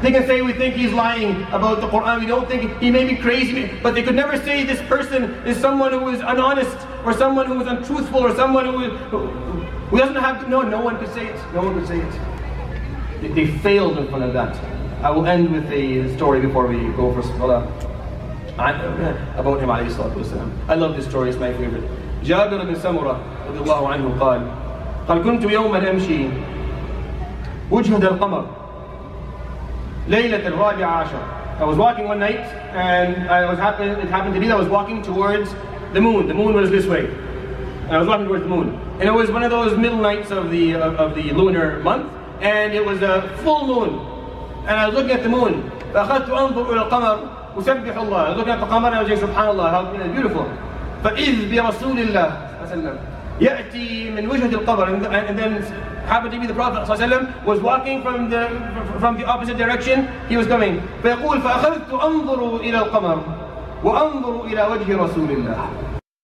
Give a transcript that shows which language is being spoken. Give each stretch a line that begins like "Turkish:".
English: They can say, we think he's lying about the Quran, we don't think he may be crazy, but they could never say this person is someone who is unhonest, or someone who is untruthful, or someone who doesn't have to know. No one could say it. No one could say it. They failed in front of that. I will end with a story before we go for salah about him, alayhi salatu wasalam. I love this story, it's my favorite.
Arabic: Jabir ibn Samura, radiallahu anhu, قال قال كنت يوما أمشي وجهة القمر ليلة الرابعة عشر.
English: I was walking one night and I was walking towards the moon. The moon was this way. And I was walking towards the moon. And it was one of those middle nights of the lunar month, and it was a full moon. and I was looking at the moon.
Arabic: فأخذت أنظر إلى القمر وسبح الله.
English: I was looking at the قمر and I was saying سبحان الله. How beautiful.
Arabic: فإذ برسول الله صلى الله عليه وسلم يأتي من وجهة القبر.
English: And then happened to be the Prophet صلى الله عليه وسلم was walking from the opposite direction. He was coming.
Arabic: فيقول فأخذت أنظر إلى القمر وأنظر إلى وجه رسول الله.